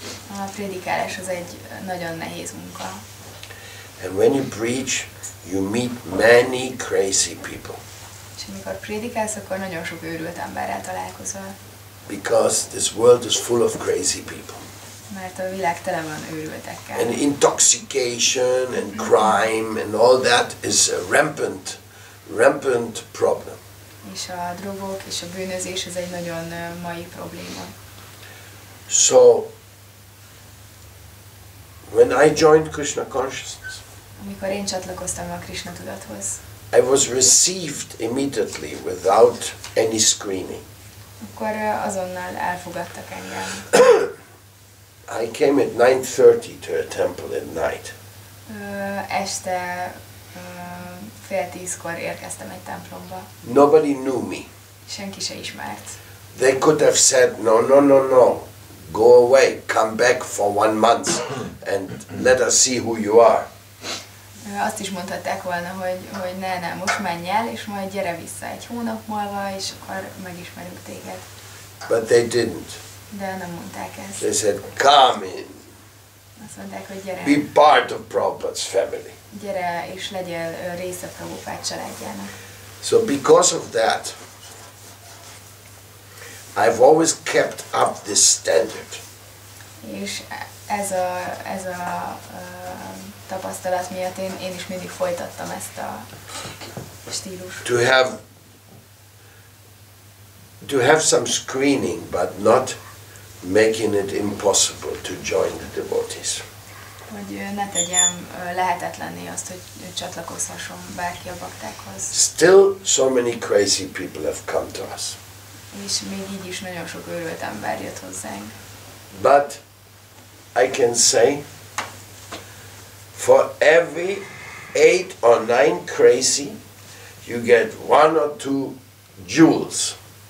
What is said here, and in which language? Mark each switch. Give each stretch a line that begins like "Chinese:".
Hungarian: A prédikálás az egy nagyon nehéz munka.
English: And when you preach, you meet many crazy people.
Hungarian: És amikor prédikálsz, akkor nagyon sok őrült emberrel találkozol.
English: Because this world is full of crazy people.
Hungarian: Mert a világ tele van őrültekkel.
English: And intoxication and crime and all that is a rampant problem.
Hungarian: És a drogok és a bűnözés ez egy nagyon mai probléma.
English: So when I joined Krishna consciousness,
Hungarian: Amikor én csatlakoztam a Krishna tudathoz.
English: I was received immediately without any screaming.
Hungarian: Akkor azonnal elfogadtak engem.
English: I came at 9:30 to a temple at night.
Hungarian: Este fél tízkor érkeztem egy templomba.
English: Nobody knew me.
Hungarian: Senki se ismert.
English: They could have said, no, no, no, no, go away, come back for 1 month and let us see who you are.
Hungarian: Azt is mondhatták volna, hogy ne, ne, most menj el, és majd gyere vissza egy hónap múlva, és akkor megismerünk téged.
English: But they didn't.
Hungarian: De nem mondták ezt.
English: They said, come in.
Hungarian: Azt mondták, hogy gyere.
English: Be part of Prabhupada's family.
Hungarian: Gyere, és legyél része Prabhupada családjának.
English: So because of that, I've always kept up this standard.
Hungarian: És ez a tapasztalat miatt én is mindig folytattam ezt a stílus.
English: To have some screening, but not making it impossible to join the devotees.
Hungarian: Hogy ne tegyem lehetetlenné azt, hogy csatlakozhasson bárki a baktákhoz.
English: Still, so many crazy people have come to us.
Hungarian: És még így is nagyon sok őrült ember jött hozzánk.
English: But I can say, for every 8 or 9 crazy, you get 1 or 2 jewels.